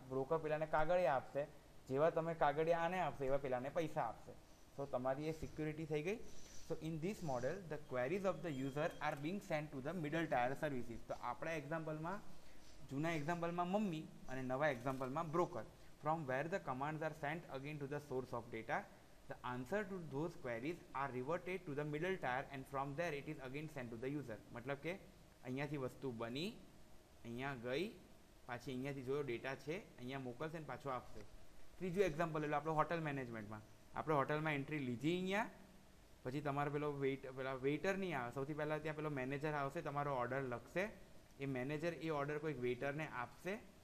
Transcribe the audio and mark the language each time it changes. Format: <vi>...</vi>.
<gu>Broker પેલાને કાગળિયા આપશે, જેવા તમે કાગળિયા આને આપશો એવા પેલાને પૈસા આપશે. સો તમારી એ સિક્યુરિટી થઈ ગઈ.</gu> <en>So in this model the queries of the user are being sent to the middle tier services.</en> <gu>તો આપણા એક્ઝામ્પલમાં, જૂના એક્ઝામ્પલમાં મમ્મી અને નવા એક્ઝામ્પલમાં broker.</gu> <en>From where the commands are sent again to the source of data, the answer to those queries are reverted to the middle tier and from there it is again sent to the user.</en> <gu>મતલબ કે અહીંયાથી વસ્તુ બની, અહીંયા ગઈ, પાછી અહીંયાથી જોયો ડેટા છે, અહીંયા મોકલશે ને પાછો આપશે. ત્રીજું એક્ઝામ્પલ એટલે આપણો હોટલ મેનેજમેન્ટમાં. આપણે હોટલમાં એન્ટ્રી લીધી અહીંયા, પછી તમારો પેલો વેઇટર નહીં આવે. સૌથી પહેલાં ત્યાં પેલો મેનેજર આવશે, તમારો ઓર્ડર લખશે. એ મેનેજર એ ઓર્ડર કોઈક વેઇટરને આપશે.</gu>